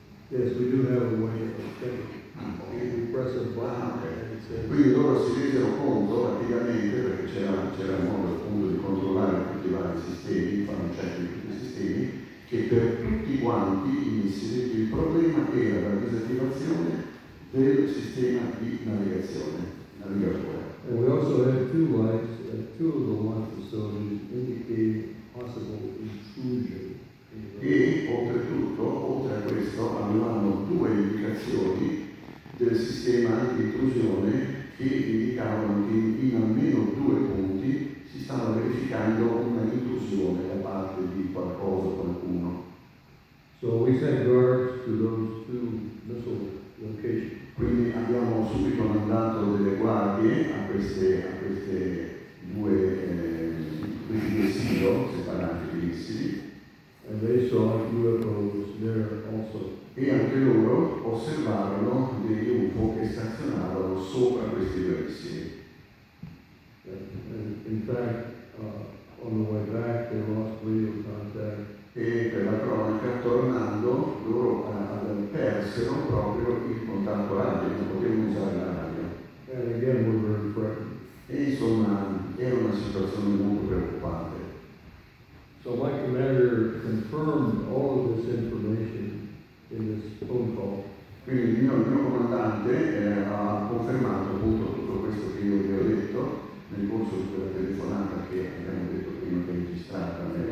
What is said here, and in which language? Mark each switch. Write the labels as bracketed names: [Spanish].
[English] Yes, we do have a way of checking. We press a button and it says. [Italian] Quindi loro si resero conto praticamente perché c'era un modo appunto di controllare tutti i vari sistemi, fare un check di tutti i sistemi. Che per tutti quanti i missili il problema era la disattivazione del sistema di navigazione, navigatore. [English] And we also had two lights at two of the launch facilities indicating possible intrusion. [Italian] E oltretutto, oltre a questo, avevamo due indicazioni del sistema di intrusione che indicavano che in almeno due punti si stava verificando una intrusione da parte di qualcosa, qualcuno. [English] So we sent guards to those two missile locations. [Italian] Quindi abbiamo subito mandato delle guardie a queste due missili separati di missili. [English] And they saw UFOs there also. [Italian] E anche loro osservarono degli UFO che stazionavano sopra questi due missili. [English] And in fact, on the way back, they lost radio contact. [Italian] E per la cronaca, tornando, loro persero proprio il contatto radio, non potevano usare la radio. [English] And again, we were very frightened. [Italian] E insomma, era una situazione molto preoccupante. [English] So my commander confirmed all of this information in this phone call. [Italian] Quindi il mio comandante ha confermato appunto tutto questo che io gli ho detto nel corso di quella telefonata che abbiamo detto prima che è registrata.